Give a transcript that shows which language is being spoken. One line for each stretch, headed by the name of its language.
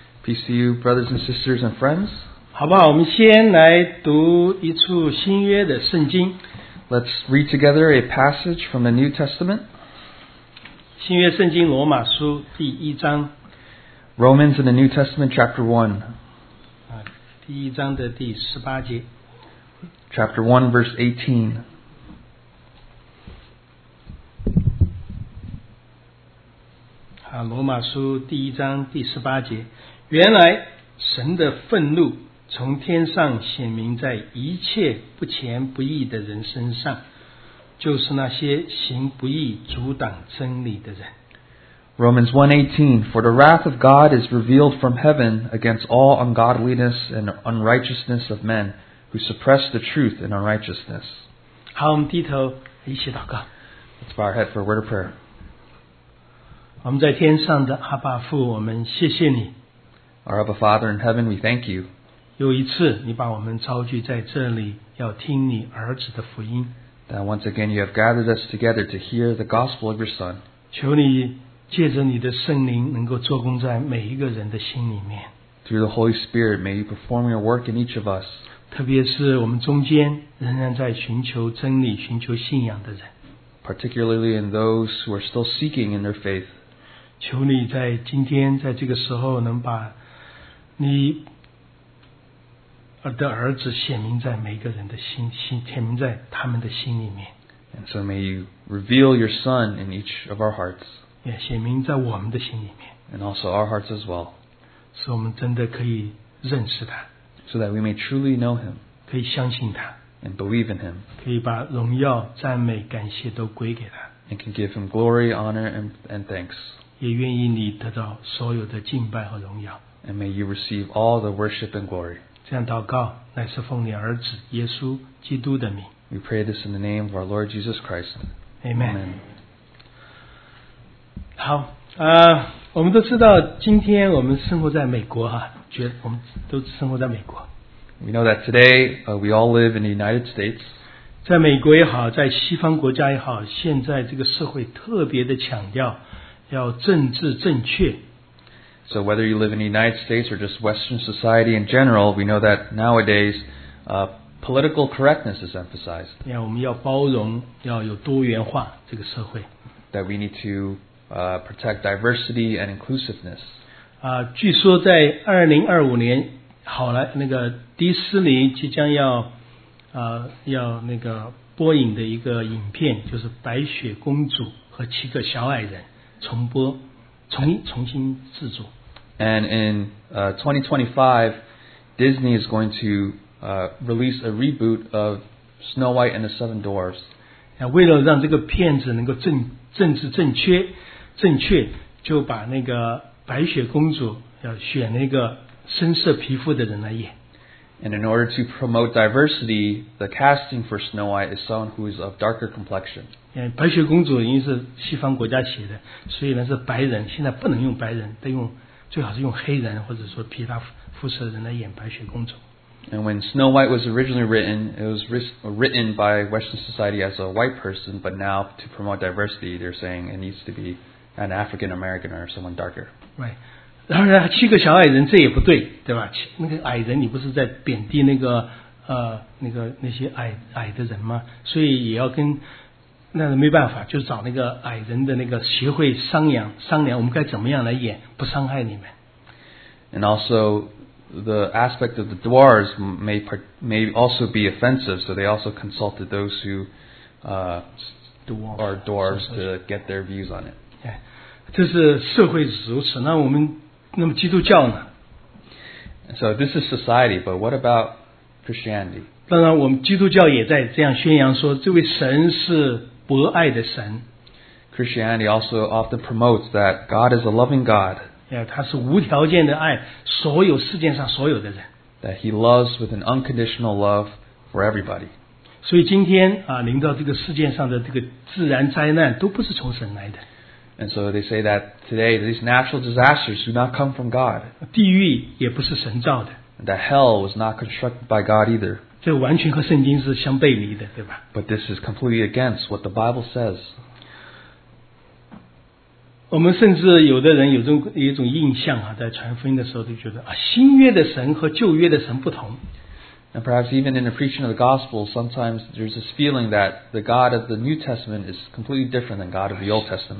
English: Peace to you, brothers and sisters and friends.
Chinese: 好吧，我们先来读一处新约的圣经。
English: Let's read together a passage from the New Testament.
Chinese: 新约圣经罗马书第一章。
English: Romans in the New Testament, chapter 1.
Chinese: 第一章的第十八节。
English: Chapter 1, verse 18.
Chinese: 罗马书第一章第十八节，原来神的愤怒从天上显明在一切不虔不义的人身上，就是那些行不义阻挡真理的人。
English: Romans 1:18 For the wrath of God is revealed from heaven against all ungodliness and unrighteousness of men who suppress the truth in unrighteousness.
Chinese: 好，我们低头一起祷告。
English: Let's bow our head for a word of prayer.
Chinese: 我们在天上的阿爸父，我们谢谢你。
English: Our Abba Father in heaven, we thank you.
Chinese: 又一次，你把我们召聚在这里，要听你儿子的福音。
English: That once again you have gathered us together to hear the gospel of your Son.
Chinese: 求你借着你的圣灵，能够做工在每一个人的心里面。
English: Through the Holy Spirit, may you perform your work in each of us.
Chinese: 特别是我们中间仍然在寻求真理、寻求信仰的人。
English: Particularly in those who are still seeking in their faith.
Chinese: 求你在今天在这个时候能把你的儿子显明在每个人的心显明在他们的心里面。
English: And so may you reveal your son in each of our hearts.
Chinese: 也显明在我们的心里面。
English: And also our hearts as well.
Chinese: 使我们真的可以认识他。
English: So that we may truly know him.
Chinese: 可以相信他。
English: And believe in him.
Chinese: 可以把荣耀、赞美、感谢都归给他。
English: And can give him glory, honor, and thanks.
Chinese: 也愿意你得到所有的敬拜和荣耀。
English: And may you receive all the worship and glory.
Chinese: 这样祷告，乃是奉你儿子耶稣基督的名。
English: We pray this in the name of our Lord Jesus Christ. Amen. Amen.
Chinese: 好，我们都知道，今天我们生活在美国啊，我们都生活在美国。
English: We know that today, we all live in the United States.
Chinese: 在美国也好，在西方国家也好，现在这个社会特别的强调要政治正确。
English: So whether you live in the United States or just Western society in general, we know that nowadays, political correctness is emphasized.
Chinese: 我们要包容，要有多元化这个社会。
English: That we need to, protect diversity and inclusiveness.
Chinese: 据说在2025年好了，那个迪士尼即将要，要那个播映的一个影片，就是《白雪公主和七个小矮人》重播，重新制作。
English: And in 2025, Disney is going to release a reboot of Snow White and the Seven Dwarfs.
Chinese: 为了让这个片子能够政治正确，就把那个白雪公主要选那个。深色皮肤的人来演。
English: And in order to promote diversity, the casting for Snow White is someone who is of darker complexion.
Chinese: 白雪公主已经是西方国家写的，所以呢是白人，现在不能用白人，得用最好是用黑人或者说皮肤肤色的人来演白雪公主。
English: And when Snow White was originally written, it was written by Western society as a white person, but now to promote diversity, they're saying it needs to be an African American or someone darker. Right.
Chinese: 当然，七个小矮人这也不对，对吧？那个矮人，你不是在贬低那个那个那些矮的人吗？所以也要跟那没办法，就找那个矮人的那个协会商量，我们该怎么样来演，不伤害你们。
English: And also, the aspect of the dwarves may also be offensive, so they also consulted those who are dwarves to get their views on it.
Chinese: 这是社会如此，那我们。那么基督教呢
English: ？So this is society, but what about Christianity?
Chinese: 当然，我们基督教也在这样宣扬说，这位神是博爱的神。
English: Christianity also often promotes that God is a loving God.
Chinese: Yeah, 他是无条件的爱所有世界上所有的人。
English: That He loves with an unconditional love for everybody.
Chinese: 所以今天啊，临到这个世界上的这个自然灾难都不是从神来的。
English: And so they say that today these natural disasters do not come from God.
Chinese: 地狱也不是神造的。
English: That hell was not constructed by God either.
Chinese: 这完全和圣经是相背离的，对吧？
English: But this is completely against what the Bible says.
Chinese: 我们甚至有的人有一种印象啊，在传福音的时候就觉得啊，新约的神和旧约的神不同。
English: And perhaps even in the preaching of the gospel, sometimes there's this feeling that the God of the New Testament is completely different than God of the Old Testament.